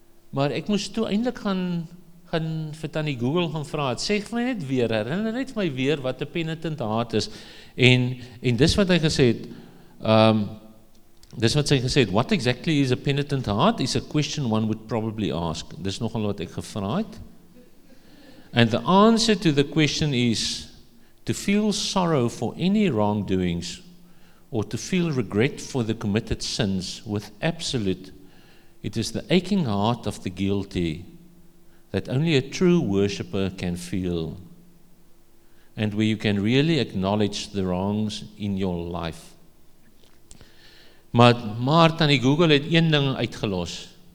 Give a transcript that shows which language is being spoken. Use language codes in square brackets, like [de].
[af] maar ek moes toe eintlik gaan vir tannie Google gaan vra, het sê vir my net weer, herinner net my weer wat 'n [en] penitent heart [af] is, en dis wat hy gesê het, dis wat hy gesê het, [en] what exactly is a penitent heart is a question one would probably ask. [af] Dis nogal wat ek gevra het. [en] And the answer to the question is to feel sorrow for any wrongdoings or to feel regret for the committed sins with absolute. It is the aching heart of the guilty that only a true worshipper can feel and where you can really acknowledge the wrongs in your life. [af] Maar tannie Google het een ding uitgelos.